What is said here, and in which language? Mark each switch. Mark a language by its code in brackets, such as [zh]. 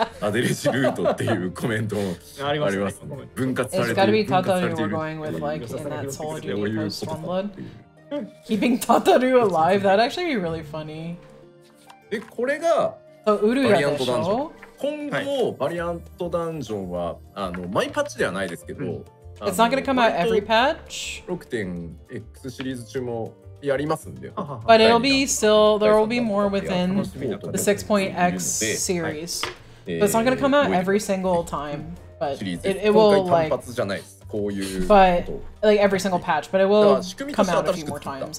[ja] デレジルートっていうコメントもありますね。分割されている [en] It's gotta be Tataru we're going with like in that Soul Duty post one blood. Keeping Tataru alive, that'd actually be really funny. [ja] で、これがバリアントダンジョン。今後もバリアントダンジョンはあのマイパッチではないですけど、 [en] It's not gonna come out every patch. [ja] 6.X シリーズ中もやりますんで。 [en] But it'll be still, there will be more within the 6.X series. But it's not going to come out every single time, but it will like, but like every single patch, but it will come out a few more times.